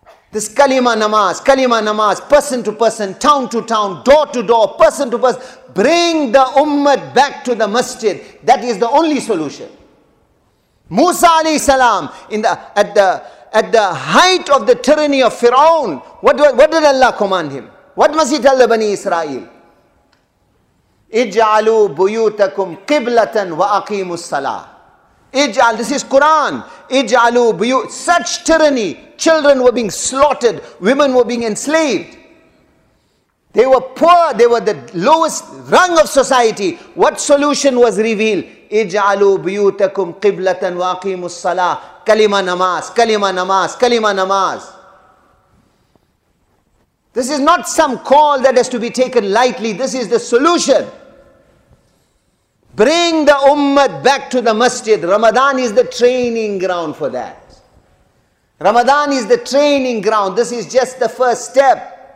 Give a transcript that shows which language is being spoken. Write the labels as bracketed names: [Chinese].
[English] This kalima namaz, person to person, town to town, door to door, person to person, bring the ummah back to the masjid. That is the only solution. Musa alayhi salam, at the height of the tyranny of Fir'aun, what did Allah command him? What must he tell the Bani Israel? [Arabic] اجعلوا بيوتكم قبلة وأقيموا الصلاة. [English] اجعل, this is Quran. [Arabic] اجعلوا بيوت, [English] such tyranny. Children were being slaughtered. Women were being enslaved. They were poor. They were the lowest rung of society. What solution was revealed? [Arabic] اجعلوا بيوتكم قبلة وأقيموا الصلاة. [Urdu] كلمة نماز, كلمة نماز, كلمة نماز. [English] This is not some call that has to be taken lightly. This is the solution. Bring the ummah back to the masjid. Ramadan is the training ground for that. Ramadan is the training ground. This is just the first step.